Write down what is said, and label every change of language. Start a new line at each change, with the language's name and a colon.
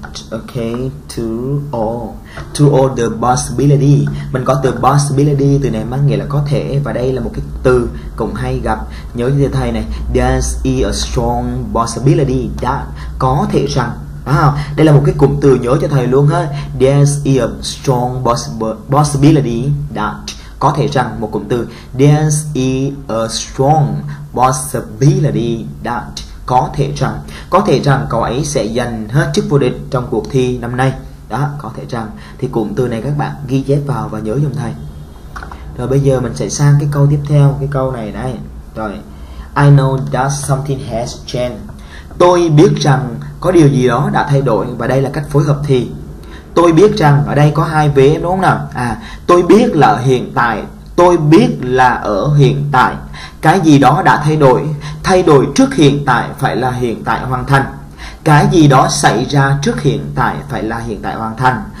English: Okay, to all the possibility.
Vietnamese: Mình có từ possibility, từ này mang nghĩa là có thể. Và đây là một cái từ cũng hay gặp. Nhớ cho thầy này,
English: there's a strong possibility that,
Vietnamese: có thể rằng. Đây là một cái cụm từ nhớ cho thầy luôn ha.
English: There's a strong possibility that,
Vietnamese: có thể rằng, một cụm từ.
English: There's a strong possibility that,
Vietnamese: có thể rằng, có thể rằng cậu ấy sẽ giành hết chức vô địch trong cuộc thi năm nay. Đó, có thể rằng. Thì cụm từ này các bạn ghi chép vào và nhớ giùm thầy. Rồi bây giờ mình sẽ sang cái câu tiếp theo, cái câu này đây.
English: Rồi, I know that something has changed.
Vietnamese: Tôi biết rằng có điều gì đó đã thay đổi. Và đây là cách phối hợp thì. Tôi biết rằng, ở đây có hai vế đúng không nào? À, tôi biết là hiện tại. Tôi biết là ở hiện tại. Cái gì đó đã thay đổi. Thay đổi trước hiện tại phải là hiện tại hoàn thành. Cái gì đó xảy ra trước hiện tại phải là hiện tại hoàn thành.